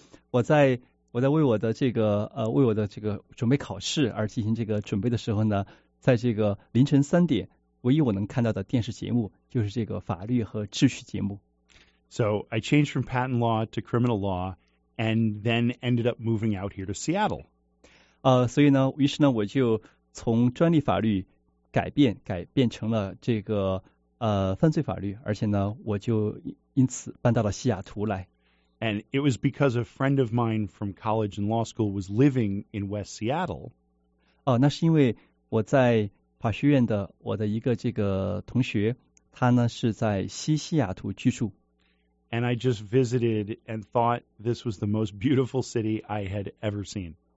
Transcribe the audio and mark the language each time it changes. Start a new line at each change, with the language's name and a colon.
Chinese: 我在为我的这个为我的这个准备考试而进行这个准备的时候呢，在这个凌晨3点，唯一我能看到的电视节目就是这个法律和秩序节目。
English: So I changed from patent law to criminal law, and then ended up moving out here to Seattle.
Chinese: 所以呢，于是呢，我就从专利法律改变成了这个犯罪法律，而且呢，我就因此搬到了西雅图来。
English: And it was because a friend of mine from college and law school was living in West Seattle.
Chinese: 那是因为我在法学院的我的一个这个同学，他呢是在西雅图居住。
English: And I just visited and thought this was the most beautiful city I had ever seen.